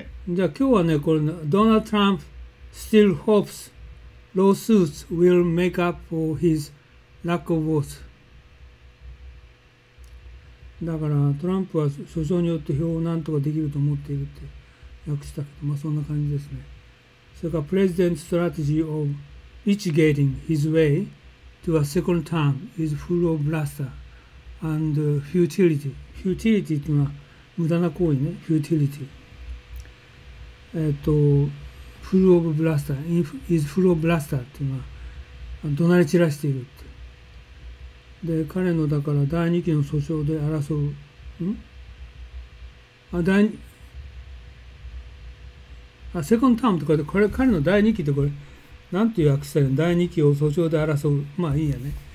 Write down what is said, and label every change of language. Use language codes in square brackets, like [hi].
[ja] じゃあ今日はね、これ、 [en] Donald Trump still hopes lawsuits will make up for his lack of votes。 [ja] だからトランプは訴訟によって票をなんとかできると思っているって訳したけど、まあそんな感じですね。それから [en] President strategy of litigating his way to a second term is full of bluster and futility。 [ja] futility というのは無駄な行為ね、futility。 [en] full of bluster、is full of bluster [ja] というのは怒鳴り散らしているって。で、彼のだから第二期の訴訟で争う、セコンドタームとかで、これ彼の第二期ってこれ、なんていう訳したらいいの、第二期を訴訟で争う、まあいいやね。